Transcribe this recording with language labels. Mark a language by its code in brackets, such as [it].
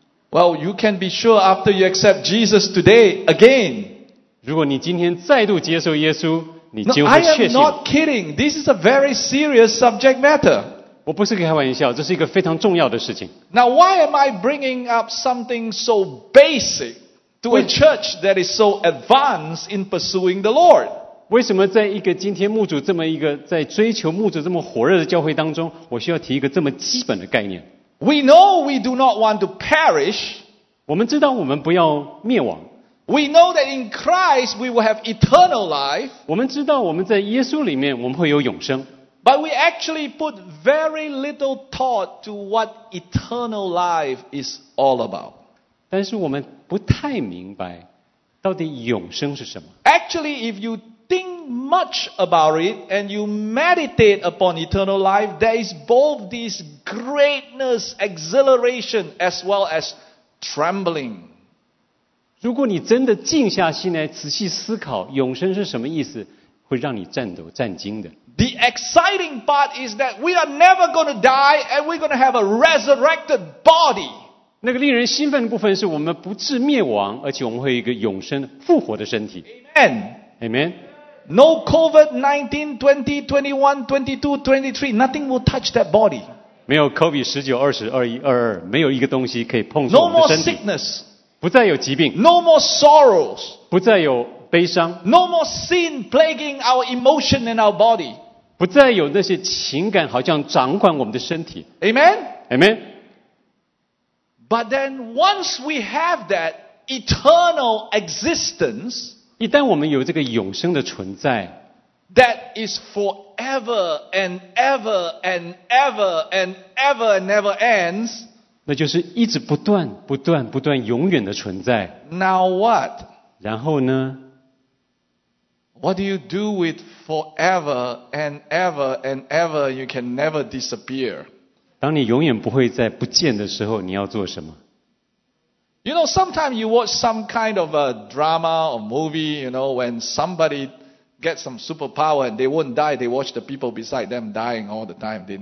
[en] Well, you can be sure after you accept Jesus today again. [zh] 如果你今天再度接受耶稣 [en] No, I am not kidding. This is a very serious subject matter. [zh] 我不是开玩笑，这是一个非常重要的事情。 [en] Now, why am I bringing up something so basic to a church that is so advanced in pursuing the Lord? [zh] 为什么在一个今天牧主这么一个在追求牧主这么火热的教会当中，我需要提一个这么基本的概念？ [en] We know we do not want to perish. [zh] 我们知道我们不要灭亡。 [en] We know that in Christ we will have eternal life. [zh] 我们知道我们在耶稣里面我们会有永生。 [en] But we actually put very little thought to what eternal life is all about. [zh] 但是我们不太明白到底永生是什么。 [en] Actually, if you think much about it and you meditate upon eternal life, there is both this greatness, exhilaration, as well as trembling. [zh] 如果你真的静下心来仔细思考永生是什么意思，会让你颤抖战惊的。 [en] The exciting part is that we are never going to die and we're going to have a resurrected body. [zh] 那个令人兴奋的部分是我们不致灭亡，而且我们会有一个永生复活的身体。 [en] Amen. Amen. No COVID 19, 20, 21, 22, 23, nothing will touch that body. [zh] 没有 COVID 19, 20, 21, 22, 没有一个东西可以碰触我们的身体。 [en] No more sickness. [zh] 不再有疾病。 [en] No more sorrows. [zh] 不再有悲伤。 [en] No more sin plaguing our emotion and our body. [zh] 不再有那些情感好像掌管我们的身体。 [en] Amen. Amen. But then once we have that eternal existence, [zh] 一旦我们有这个永生的存在, [en] that is forever and ever and ever and ever and never ends, [zh] 那就是一直不断不断不断永远的存在。 [en] Now what? [zh] 然后呢? [en] What do you do with forever and ever and ever you can never disappear? [zh] 当你永远不会再不见的时候，你要做什么？ [en] You know, sometimes you watch some kind of a drama or movie. You know, when somebody gets some superpower and they won't die, they watch the people beside them dying all the time.